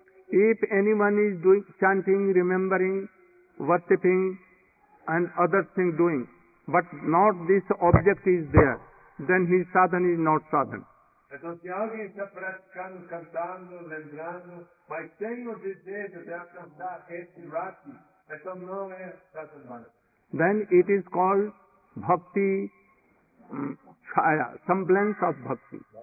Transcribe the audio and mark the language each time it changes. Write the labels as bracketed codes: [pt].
[en] If anyone is doing chanting, remembering, worshipping and other things doing, but not this object is there, then his sadhana is not sadhana. [pt] Então, se alguém está praticando, cantando, lembrando, mas tem o desejo de alcançar esse rati, então não é sadhana. [en] Then it is called bhakti chaya, semblance of bhakti.